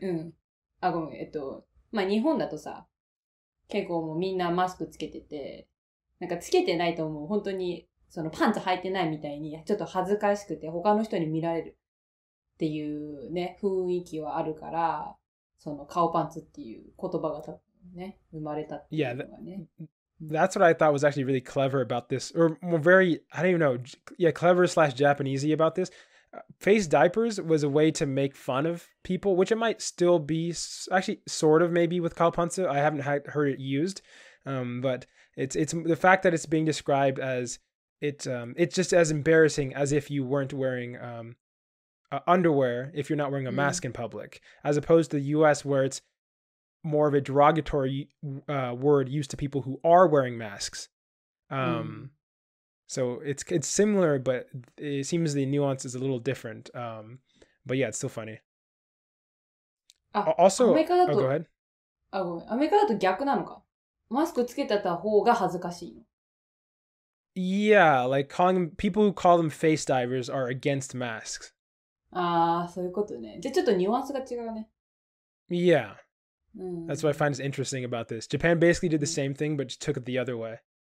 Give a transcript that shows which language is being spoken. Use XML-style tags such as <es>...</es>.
<ja>うん、あごめん、まあ日本だとさ、結構もうみんなマスクつけてて、なんかつけてないともう本当にそのパンツ履いてないみたいにちょっと恥ずかしくて他の人に見られるっていうね雰囲気はあるから、その顔パンツっていう言葉が多分ね生まれたっていうのがね。</ja> <en>Yeah, that's what I thought was actually really clever about this, or more very, I don't even know, yeah, clever / Japanesey about this. Face diapers was a way to make fun of people, which it might still be actually sort of maybe with kaupansu. I haven't heard it used, but it's the fact that it's being described as it's just as embarrassing as if you weren't wearing underwear if you're not wearing a mask in public, as opposed to the U.S. where it's more of a derogatory word used to people who are wearing masks. So it's similar, but it seems the nuance is a little different. But yeah, it's still funny. Also, go ahead.</en> <ja>America だと逆なのか。マスクつけてた方が恥ずかしいの。</ja> <en>Yeah, like calling people who call them face divers are against masks.</en> <ja>Ah, そういうことね。じゃあちょっとニュアンスが違うね。</ja> <en>Yeah. That's what I find is interesting about this. Japan basically did the same thing, but just took it the other way.</en>